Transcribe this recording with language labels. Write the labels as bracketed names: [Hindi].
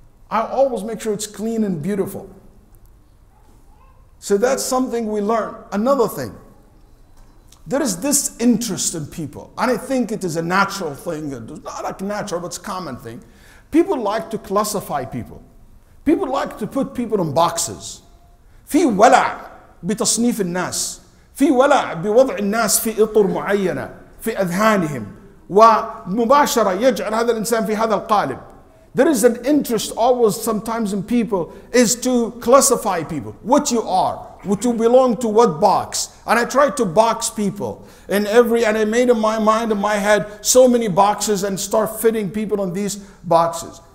[English] I always make sure it's clean and beautiful. So that's something we learn. Another thing, there is this interest in people. And I think it is a natural thing. It's not like natural, but it's a common thing. People like to classify people. People like to put people in boxes. [Arabic] في ولع بتصنيف الناس في ولع بوضع الناس في إطر معينة في أذهانهم ومباشرة يجعل هذا الإنسان في هذا القالب. [English] There is an interest always sometimes in people is to classify people. What you are, what you belong to, what box. And I try to box people in every, and I made in my mind, in my head, so many boxes and start fitting people in these boxes.